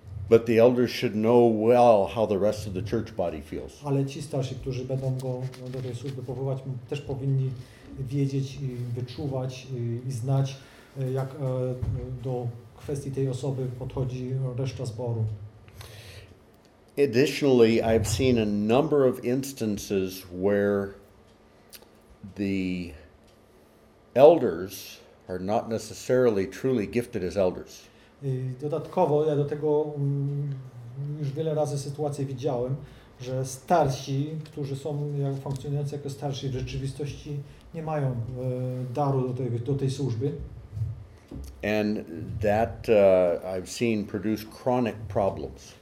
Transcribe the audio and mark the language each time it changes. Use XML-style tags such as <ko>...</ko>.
<en>But the elders should know well how the rest of the church body feels.</en> <pl>Ale ci starsi, którzy będą go do tej służby powoływać, też powinni wiedzieć i wyczuwać i znać, jak do kwestii tej osoby podchodzi reszta zboru.</pl> <en>Additionally, I've seen a number of instances where the elders are not necessarily truly gifted as elders.</en> <pl>I dodatkowo ja do tego już wiele razy sytuację widziałem, że starsi, którzy są funkcjonujący jako starsi, w rzeczywistości nie mają daru do tej służby.</pl> <en>And that I've seen produce chronic problems.</en>